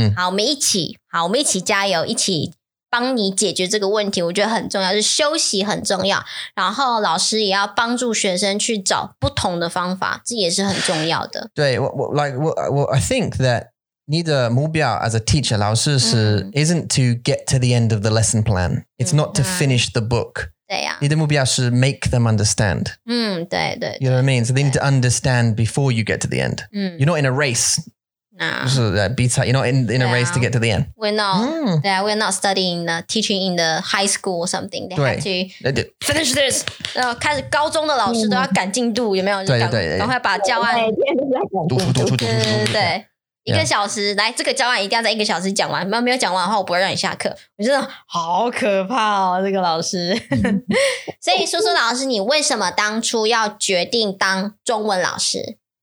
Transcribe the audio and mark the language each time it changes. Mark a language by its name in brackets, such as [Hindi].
[Chinese] 好，我们一起加油，一起帮你解决这个问题。我觉得很重要，就是休息很重要。然后老师也要帮助学生去找不同的方法，这也是很重要的。对，我 [English] I think that [Chinese] 你的目标 [English] as a teacher [Chinese] 老师是 [English] isn't to get to the end of the lesson plan. It's not to finish the book. [Chinese] 对呀、啊。你的目标是 [English] make them understand. [Chinese] 对。 [English] You know what I mean? So they need to understand before you get to the end. You're not in a race. No. [Chinese] 就是 比赛, [English] you're not in a race to get to the end. We're not. We're not studying, teaching in the high school or something. They have to finish this. [Chinese] 开始高中的老师都要赶进度，有没有？对。赶快把教案。读。一个小时，来，这个教案一定要在一个小时讲完，没有讲完的话我不会让你下课。我真的好可怕哦，这个老师。所以叔叔老师，你为什么当初要决定当中文老师？